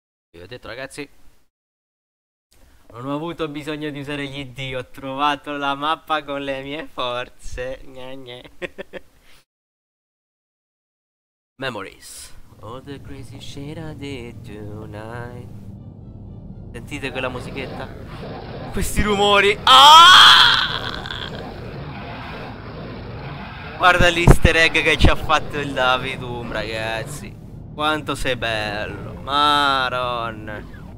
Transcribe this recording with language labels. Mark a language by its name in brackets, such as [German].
[Italian] Vi ho detto, ragazzi, non ho avuto bisogno di usare gli ID. Ho trovato la mappa con le mie forze. Gna gna. [English] Memories. All the crazy shit I did tonight. [Italian] Sentite quella musichetta? Questi rumori. Ah! Guarda l'easter egg che ci ha fatto il David Doom, ragazzi. Quanto sei bello. Maron.